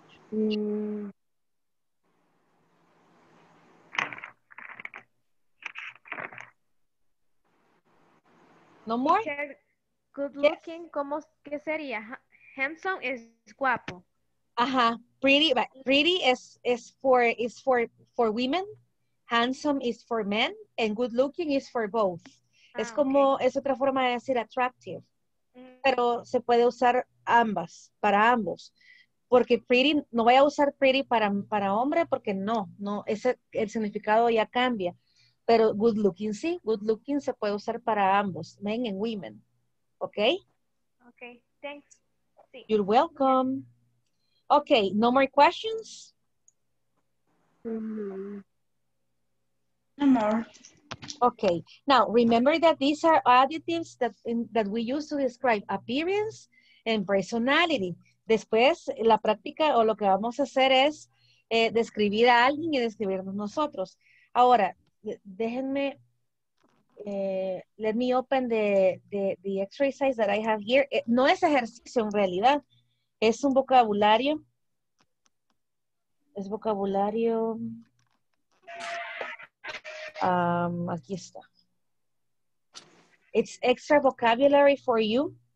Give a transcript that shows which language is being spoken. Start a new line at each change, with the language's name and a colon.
English: No more. Good looking. Yes.
Spanish: ¿Cómo qué sería? Handsome es guapo.
English: Ajá. Pretty, but pretty is for women. Handsome is for men, and good looking is for both.
Spanish: Ah, es como okay. Es otra forma de decir attractive, pero se puede usar ambas para ambos. Porque pretty, no voy a usar pretty para hombre porque no, ese el significado ya cambia. Pero good looking, sí, good looking se puede usar para ambos,
English: men and women.
Spanish: ¿Ok?
English: Ok, thanks. Sí. You're welcome. Ok, no more questions? No more. Ok, now remember that these are adjectives that we use to describe appearance and personality.
Spanish: Después, la práctica o lo que vamos a hacer es describir a alguien y describirnos nosotros. Ahora, déjenme,
English: let me open the exercise that I have here.
Spanish: No es ejercicio en realidad, es un vocabulario. Es vocabulario. Aquí está.
English: It's extra vocabulary for you.